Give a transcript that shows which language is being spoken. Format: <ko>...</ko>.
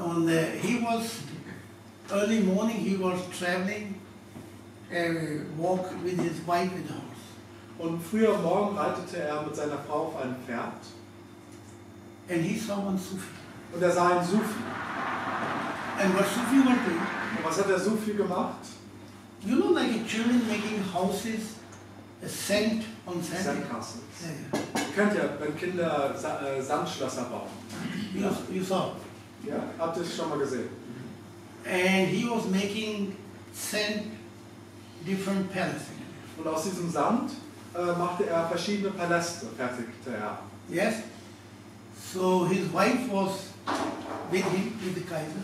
<en>Und he was early morning, he was traveling, walk with his wife with the horse.</en> <de>Und früh am Morgen reitete er mit seiner Frau auf einem Pferd.</de> <en>And he saw one Sufi.</en> <de>Und er sah einen Sufi.</de> <en>And what Sufi was doing?</en> <de>Und was hat der Sufi gemacht?</de> <en>You know, like a German making houses, a sand on sand. Sandcastles. Yeah, yeah.</en> <de>Kennt ihr, wenn Kinder Sandschlösser bauen?</de> <en>You saw.</en> <de>Ja, habt ihr es schon mal gesehen?</de> <en>And he was making sand different palaces.</en> <de>Und aus diesem Sand machte er verschiedene Paläste fertig.</de> <en>Yes. So his wife was with him with the Kaiser.</en>